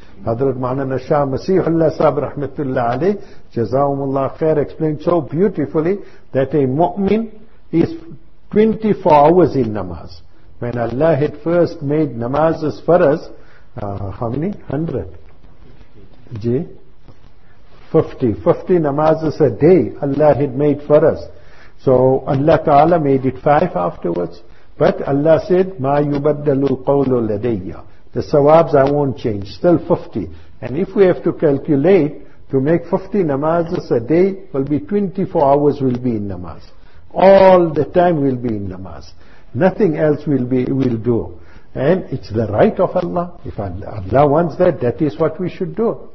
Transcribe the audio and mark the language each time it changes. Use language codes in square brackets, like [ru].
[en] Hazrat Maulana Shah Masihullah Sahib Rahmatullah Ali, Jazawumullah Khair, explained so beautifully that a mu'min is 24 hours in namaz. When Allah had first made namazes for us, how many? 100. Ji? 50. 50 namazes a day Allah had made for us. So Allah Ta'ala made it 5 afterwards. But Allah said, [ar] مَا يُبَدَّلُ الْقَوْلُ لَدَيَّ. [en] The sawabs I won't change, still 50. And if we have to calculate, to make 50 namazes a day, will be 24 hours we'll be in namaz. All the time we'll be in namaz. Nothing else we'll do. And it's the right of Allah. If Allah wants that, that is what we should do.